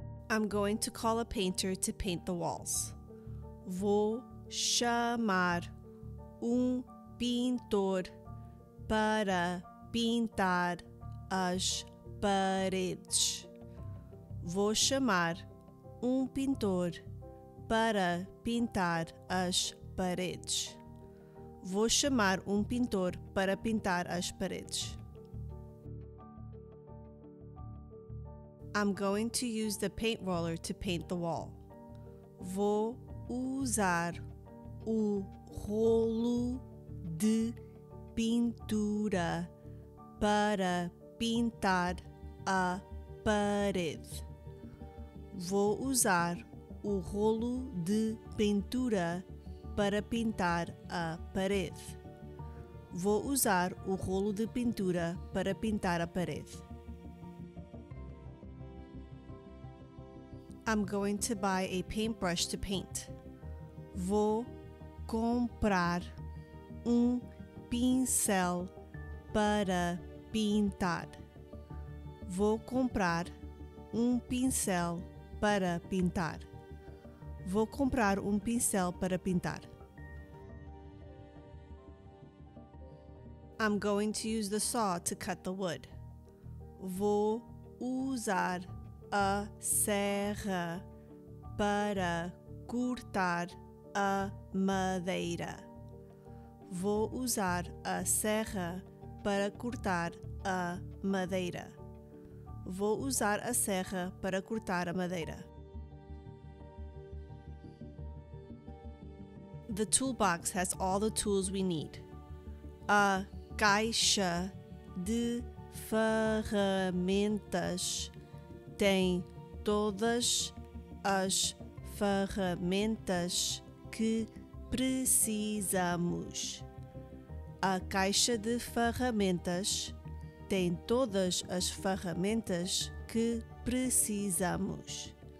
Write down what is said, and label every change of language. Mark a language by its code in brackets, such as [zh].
[en] I'm going to call a painter to paint the walls. [pt] Vou chamar um pintor para pintar as paredes. Vou chamar um pintor para pintar as paredes. Vou chamar um pintor para pintar as paredes. [en] I'm going to use the paint roller to paint the wall. [pt] Vou usar o rolo de pintura para pintar a parede. Vou usar o rolo de pintura para pintar a parede. Vou usar o rolo de pintura para pintar a parede. [en] I'm going to buy a paintbrush to paint. [pt] Vou comprar um pincel para pintar. Vou comprar um pincel para pintar. Vou comprar um pincel para pintar. [en] I'm going to use the saw to cut the wood. [pt] Vou usar a serra para cortar a madeira. Vou usar a serra para cortar a madeira. Vou usar a serra para cortar a madeira. [en] The toolbox has all the tools we need. [pt] A caixa de ferramentas tem todas as ferramentas que precisamos. A caixa de ferramentas tem todas as ferramentas que precisamos.